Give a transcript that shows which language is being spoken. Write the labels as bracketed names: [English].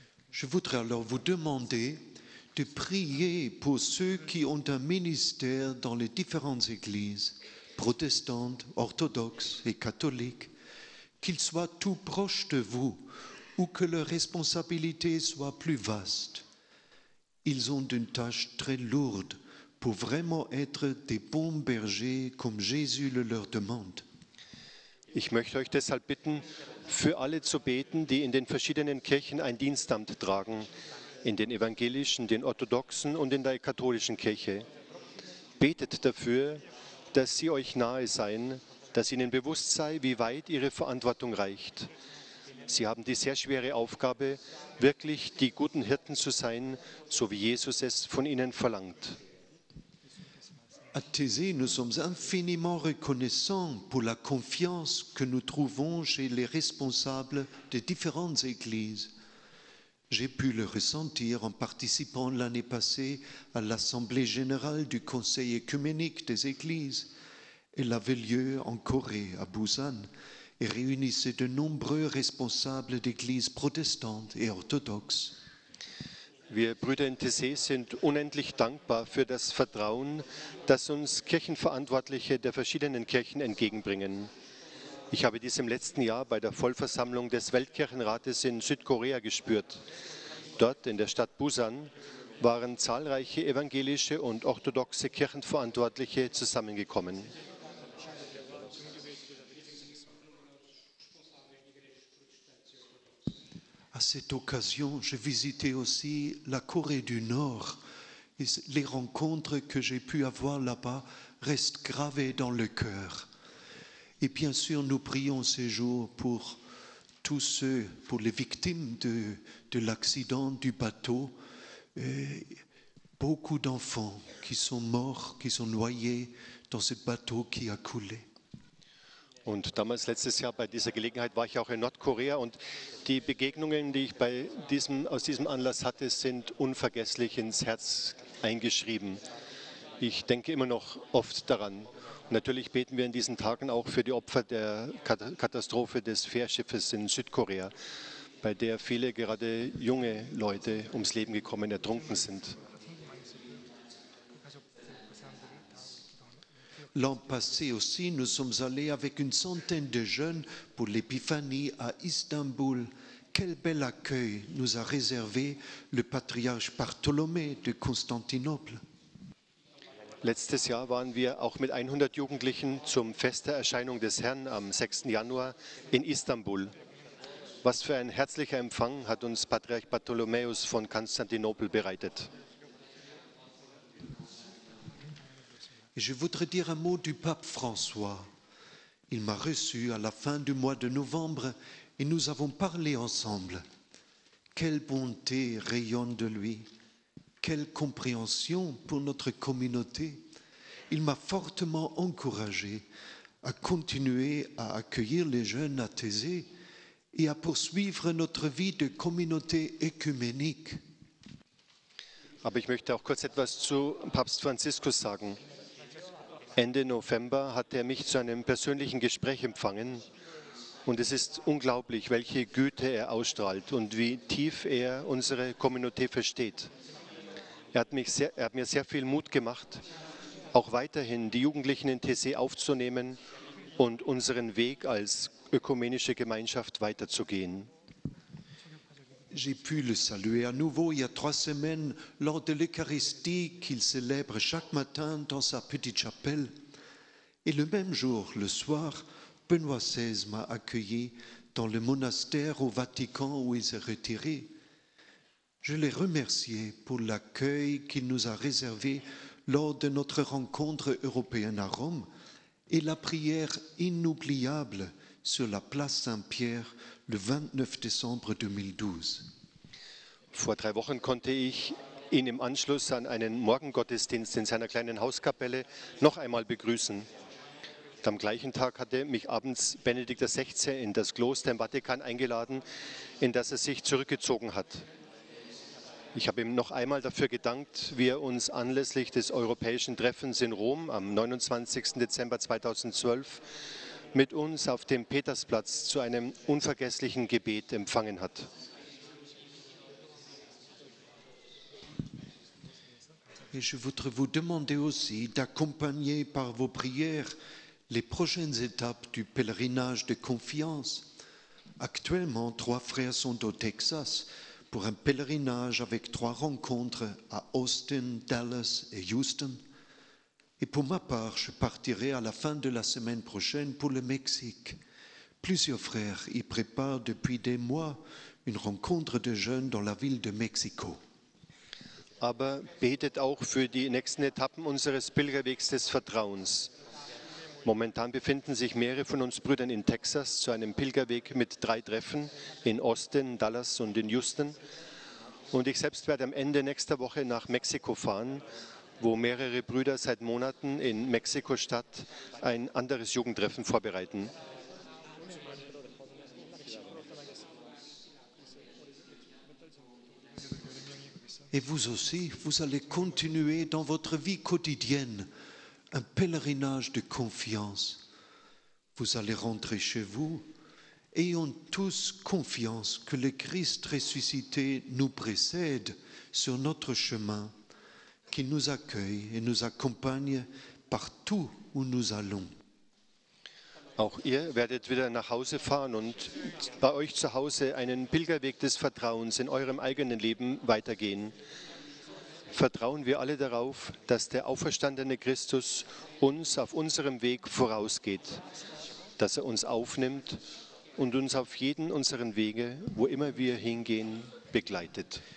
[French] Je voudrais alors vous demander de prier pour ceux qui ont un ministère dans les différentes églises, protestantes, orthodoxes et catholiques, qu'ils soient tout proches de vous ou que leur responsabilité soit plus vaste. Ils ont une tâche très lourde pour vraiment être des bons bergers comme Jésus le leur demande. [German] Ich möchte euch deshalb bitten, für alle zu beten, die in den verschiedenen Kirchen ein Dienstamt tragen, in den evangelischen, den orthodoxen und in der katholischen Kirche. Betet dafür, dass sie euch nahe seien, dass ihnen bewusst sei, wie weit ihre Verantwortung reicht. Sie haben die sehr schwere Aufgabe, wirklich die guten Hirten zu sein, so wie Jesus es von ihnen verlangt. [French] À Thésée, nous sommes infiniment reconnaissants pour la confiance que nous trouvons chez les responsables des différentes églises. J'ai pu le ressentir en participant l'année passée à l'Assemblée générale du Conseil œcuménique des églises. Elle avait lieu en Corée, à Busan, et réunissait de nombreux responsables d'églises protestantes et orthodoxes. [German] Wir Brüder in Thésée sind unendlich dankbar für das Vertrauen, das uns Kirchenverantwortliche der verschiedenen Kirchen entgegenbringen. Ich habe dies im letzten Jahr bei der Vollversammlung des Weltkirchenrates in Südkorea gespürt. Dort in der Stadt Busan waren zahlreiche evangelische und orthodoxe Kirchenverantwortliche zusammengekommen. [French] À cette occasion, j'ai visité aussi la Corée du Nord. Et les rencontres que j'ai pu avoir là-bas restent gravées dans le cœur. Et bien sûr, nous prions ces jours pour tous ceux, pour les victimes de l'accident du bateau. Et beaucoup d'enfants qui sont morts, qui sont noyés dans ce bateau qui a coulé. [German] Und damals, letztes Jahr, bei dieser Gelegenheit war ich auch in Nordkorea und die Begegnungen, die ich bei diesem, aus diesem Anlass hatte, sind unvergesslich ins Herz eingeschrieben. Ich denke immer noch oft daran. Und natürlich beten wir in diesen Tagen auch für die Opfer der Katastrophe des Fährschiffes in Südkorea, bei der viele gerade junge Leute ums Leben gekommen, ertrunken sind. [French] L'an passé aussi, nous sommes allés avec une centaine de jeunes pour l'épiphanie à Istanbul. Quel bel accueil nous a réservé le patriarche Bartholomé de Constantinople. [German] Letztes Jahr waren wir auch mit 100 Jugendlichen zum Fest der Erscheinung des Herrn am 6. Januar in Istanbul. Was für ein herzlicher Empfang hat uns Patriarch Bartholomäus von Konstantinopel bereitet. [French] Je voudrais dire un mot du pape François. Il m'a reçu à la fin du mois de novembre et nous avons parlé ensemble. Quelle bonté rayonne de lui, quelle compréhension pour notre communauté. Il m'a fortement encouragé à continuer à accueillir les jeunes à Thésée et à poursuivre notre vie de communauté œcuménique. [German] Aber ich möchte auch kurz etwas zu Papst Franziskus sagen. Ende November hat er mich zu einem persönlichen Gespräch empfangen. Und es ist unglaublich, welche Güte er ausstrahlt und wie tief er unsere Community versteht. Er hat mir sehr viel Mut gemacht, auch weiterhin die Jugendlichen in TC aufzunehmen und unseren Weg als ökumenische Gemeinschaft weiterzugehen. [French] J'ai pu le saluer à nouveau il y a trois semaines lors de l'Eucharistie qu'il célèbre chaque matin dans sa petite chapelle. Et le même jour, le soir, Benoît XVI m'a accueilli dans le monastère au Vatican où il s'est retiré. Je l'ai remercié pour l'accueil qu'il nous a réservé lors de notre rencontre européenne à Rome et la prière inoubliable sur la place Saint-Pierre le 29 décembre 2012. [German] Vor drei Wochen konnte ich ihn im Anschluss an einen Morgengottesdienst in seiner kleinen Hauskapelle noch einmal begrüßen. Am gleichen Tag hatte mich abends Benedikt XVI. In das Kloster im Vatikan eingeladen, in das er sich zurückgezogen hat. Ich habe ihm noch einmal dafür gedankt, wie er uns anlässlich des europäischen Treffens in Rom am 29. Dezember 2012 mit uns auf dem Petersplatz zu einem unvergesslichen Gebet empfangen hat. [French] Et je voudrais vous demander aussi d'accompagner par vos prières les prochaines étapes du pèlerinage de confiance. Actuellement, trois frères sont au Texas pour un pèlerinage avec trois rencontres à Austin, Dallas et Houston. Et pour ma part, je partirai à la fin de la semaine prochaine pour le Mexique. Plusieurs frères y préparent depuis des mois une rencontre de jeunes dans la ville de Mexico. [German] Aber betet auch für die nächsten Etappen unseres Pilgerwegs des Vertrauens. Momentan befinden sich mehrere von uns Brüdern in Texas zu einem Pilgerweg mit drei Treffen in Austin, Dallas und in Houston. Und ich selbst werde am Ende nächster Woche nach Mexiko fahren, wo mehrere Brüder seit Monaten in Mexiko-Stadt ein anderes Jugendtreffen vorbereiten. [French] Et vous aussi, vous allez continuer dans votre vie quotidienne. Un pèlerinage de confiance. Vous allez rentrer chez vous. Ayons tous confiance que le Christ ressuscité nous précède sur notre chemin, qu'il nous accueille et nous accompagne partout où nous allons. [German] Auch ihr werdet wieder nach Hause fahren und bei euch zu Hause einen Pilgerweg des Vertrauens in eurem eigenen Leben weitergehen. Vertrauen wir alle darauf, dass der auferstandene Christus uns auf unserem Weg vorausgeht, dass er uns aufnimmt und uns auf jeden unseren Wege, wo immer wir hingehen, begleitet.